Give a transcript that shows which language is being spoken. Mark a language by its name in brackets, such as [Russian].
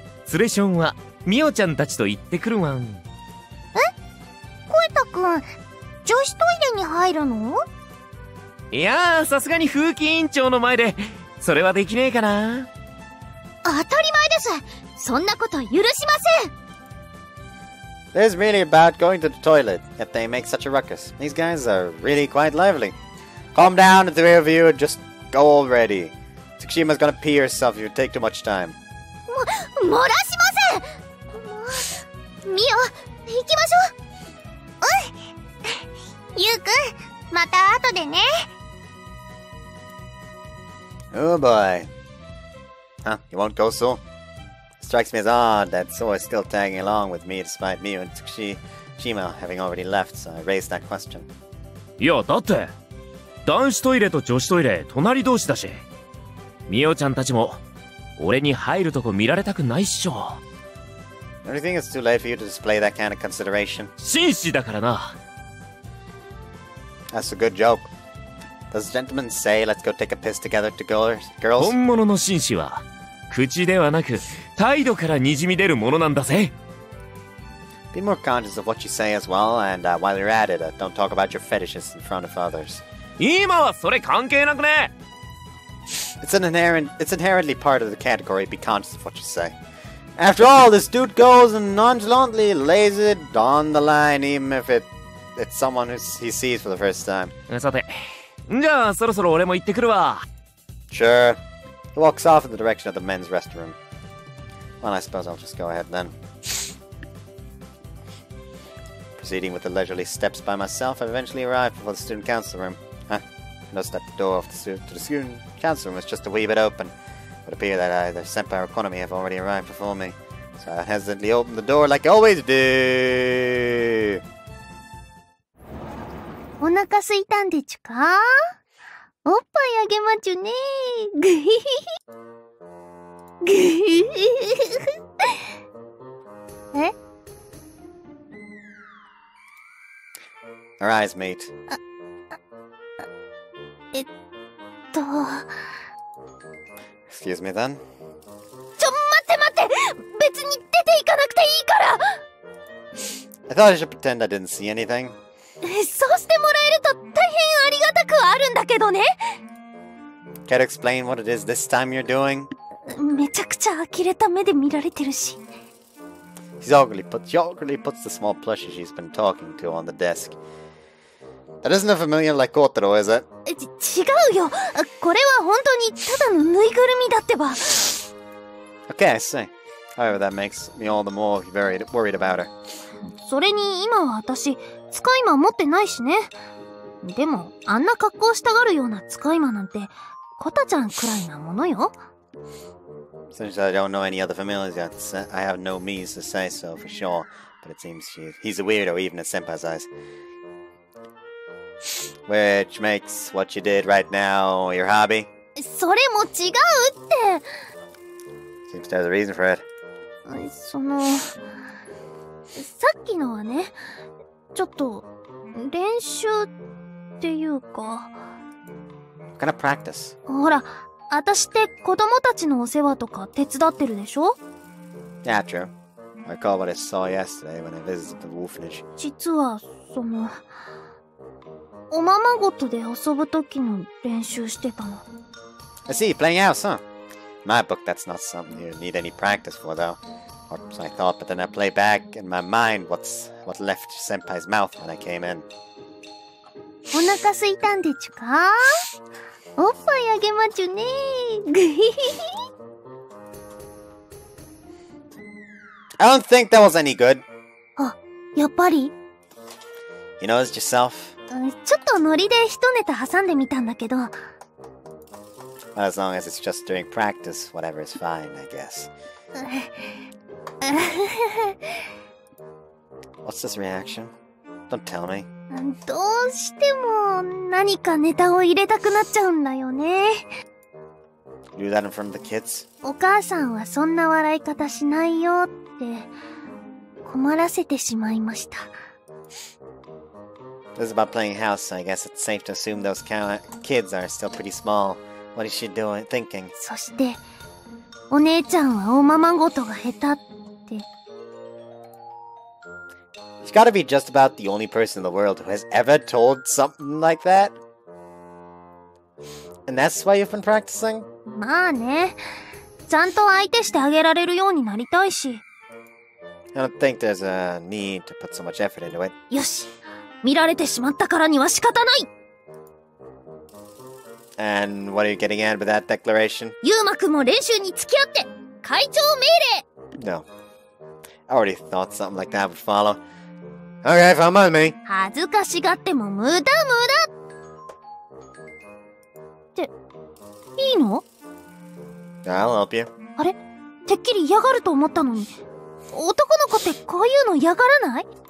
[Japanese] 連れションは、ミオちゃんたちと行ってくるわん。え?コイタくん。女子トイレに入るの? いやあ、さすがに風紀委員長の前で、それはできねえかな。当たり前です。そんなこと許しません。 [English] There's really about going to the toilet if they make such a ruckus. These guys are really quite lively. Calm down, the three of you, and just go already. Tsukishima's gonna pee herself if you take too much time. [Japanese] も、漏らしません! もう、ミオ、行きましょう! うん!ユウくん、また後でね。 [English] Oh boy. Huh, you won't go so? Strikes me as odd that Sora is still tagging along with me despite Miu and Tsukishima having already left, so I raised that question. [Japanese] いや、だって、男子トイレと女子トイレ、隣同士だし。ミオちゃんたちも、俺に入るとこ見られたくないっしょ。 [English] Don't you think it's too late for you to display that kind of consideration? [Japanese] 紳士だからな。 [English] That's a good joke. Does the gentleman say let's go take a piss together to girls? [Japanese] 本物の紳士は口ではなく態度からにじみ出るものなんだぜ。 [English] Be more conscious of what you say as well, and while you're at it, don't talk about your fetishes in front of others. [Japanese] 今はそれ関係なくね。 [English] It's inherently part of the category, be conscious of what you say. After all, this dude goes and nonchalantly lays it on the line, even if it's someone who he sees for the first time. [Japanese] さて、じゃあそろそろ俺も行ってくるわ。 [English] Sure. He walks off in the direction of the men's restroom. Well, I suppose I'll just go ahead then. Proceeding with the leisurely steps by myself, I eventually arrive before the student council room. I noticed that the door of the student council room was just a wee bit open. It would appear that either Senpai or Konami have already arrived before me. So I hesitantly opened the door like I always do! [Japanese] お腹すいたんでちゅか?おっぱいあげまちゅねー。ぐひひひ。ぐひひひ。え? [English] Our eyes meet. Excuse me then? [Japanese] ちょ、待って! 別に出ていかなくていいから! [English] I thought I should pretend I didn't see anything. [Japanese] そうしてもらえると大変ありがたくあるんだけどね。 [English] Can you explain what it is this time you're doing? [Japanese] めちゃくちゃ呆れた目で見られてるし。 [English] She awkwardly puts the small plushie she's been talking to on the desk. That isn't a familiar like Kotaro, is it? [Japanese] 違うよ。これは本当にただのぬいぐるみだってば。 [English] Okay, I see. However, that makes me all the more very worried about her. [Japanese] それに今は私。使い魔持ってないしね。でも、あんな格好したがるような使い魔なんて、コタちゃんくらいなものよ。 [English] Since I don't know any other familiars yet, I have no means to say so for sure, but it seems he's a weirdo even in Senpai's eyes. Which makes what you did right now your hobby? [Japanese] それも違うって! [English] Seems to have a reason for it. [Japanese] その… さっきのはね、ちょっと練習っていうか… [English] What kind of practice? [Japanese] ほら、私って子供たちのお世話とか手伝ってるでしょ? [English] Yeah, true. I recall what I saw yesterday when I visited the orphanage. [Japanese] 実はその…おままごとで遊ぶ時の練習してたの。 [English] I see, playing house, huh? In my book, that's not something you need any practice for, though. Or so I thought, but then I play back in my mind what left Senpai's mouth when I came in. [Japanese] お腹すいたんでちゅか?おっぱいあげまちゅね [English] え。I don't think that was any good. [Japanese] あ、やっぱり? [English] You noticed yourself? [Japanese] ちょっとノリで一ネタ挟んでみたんだけど。 [English] As long as it's just during practice, whatever is fine, I guess. What's this reaction? Don't tell me. [Japanese] どうしても何かネタを入れたくなっちゃうんだよね。 [English] Do that in front of the kids? [Japanese] お母さんはそんな笑い方しないよって困らせてしまいました。 [English] This is about playing house, so I guess it's safe to assume those kids are still pretty small. What is she doing, thinking? [Japanese] そして、お姉ちゃんはおままごとが下手って。 [English] She's gotta be just about the only person in the world who has ever told something like that. And that's why you've been practicing? [Japanese] まあね。ちゃんと相手してあげられるようになりたいし。 [English] I don't think there's a need to put so much effort into it. [Japanese] よし、見られてしまったからには仕方ない。 [English] And what are you getting at with that declaration? [Japanese] Yuma-kun も練習に付き合って、会長命令! [English] No. I already thought something like that would follow. Okay, fine by me. [Japanese] 恥ずかしがっても無駄無駄! って、いいの? [English] I'll help you. [Japanese] あれ? てっきり嫌がると思ったのに。男の子ってこういうの嫌がらない?